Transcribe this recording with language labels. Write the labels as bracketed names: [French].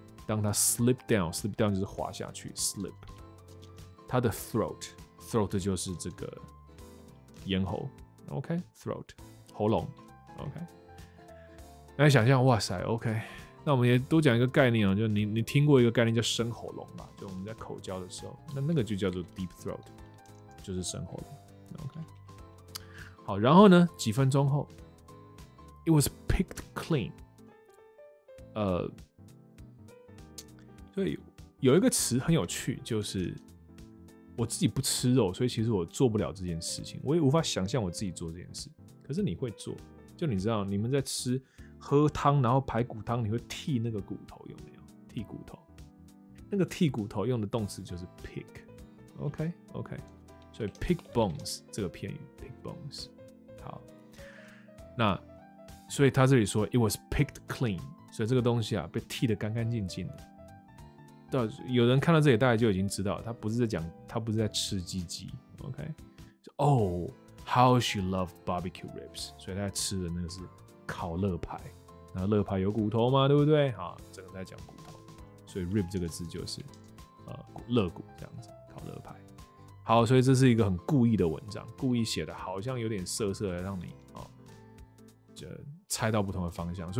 [Chinese] 当他 [English] slip down [Chinese] 就是滑下去 ，slip。他的 throat 就是这个咽喉 ，OK， throat 喉咙 ，OK。来想象，哇塞 ，OK， 那我们也多讲一个概念啊，就你听过一个概念叫深喉咙吧？就我们在口交的时候，那个就叫做 [English] deep throat， [Chinese] 就是深喉咙。 OK， 好，然后呢，几分钟后 ， [English] it was picked clean。 [Chinese] 所以有一个词很有趣，就是我自己不吃肉，所以其实我做不了这件事情，我也无法想象我自己做这件事。可是你会做，就你知道你们在吃。喝汤，然后排骨汤，你会剔那个骨头有没有？剔骨头，那个剔骨头用的动词就是 pick， OK OK， 所以 [English] pick bones [Chinese] 这个片语 pick bones， 好，那所以他这里说 [English] it was picked clean， [Chinese] 所以这个东西啊被剔得干干净净的。到有人看到这里，大家就已经知道他不是在讲他不是在吃鸡鸡 ，OK？ [English] Oh， how she loved barbecue ribs， [Chinese] 所以他在吃的那个是。烤肋排，那肋排有骨头吗？对不对？啊，整个在讲骨头，所以 rib 这个字就是肋骨这样子，烤肋排。好，所以这是一个很故意的文章，故意写的好像有点色色的，让你啊，就猜到不同的方向。